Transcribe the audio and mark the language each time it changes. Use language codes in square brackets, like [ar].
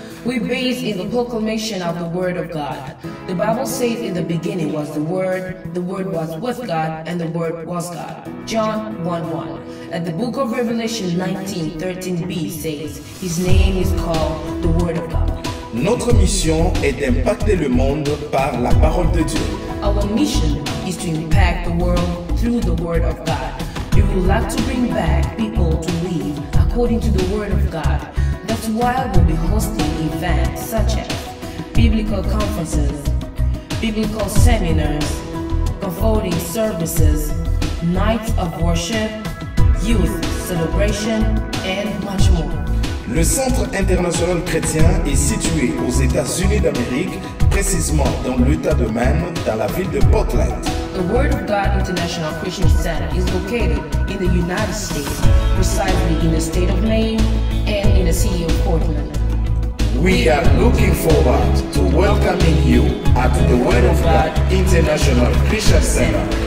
[en] We base in the proclamation of the Word of God. The Bible says in the beginning was the Word was with God, and the Word was God. John 1:1. And the book of Revelation 19:13b says, His name is called the Word of God. [fr] Notre mission est d'impacter le monde par la parole de Dieu. [en] Our mission is to impact the world through the Word of God. We would like to bring back people to live according to the Word of God. That's why we'll be hosting events such as biblical conferences, biblical seminars, comforting services, nights of worship, youth celebration, and much more. [fr] Le Centre international chrétien est situé aux États-Unis d'Amérique, précisément dans l'État de Maine, dans la ville de Portland. [en] The Word of God International Christian Center is located in the United States, precisely in the state of Maine and in the city of Portland. We are looking forward to welcoming you at the Word of God International Christian Center.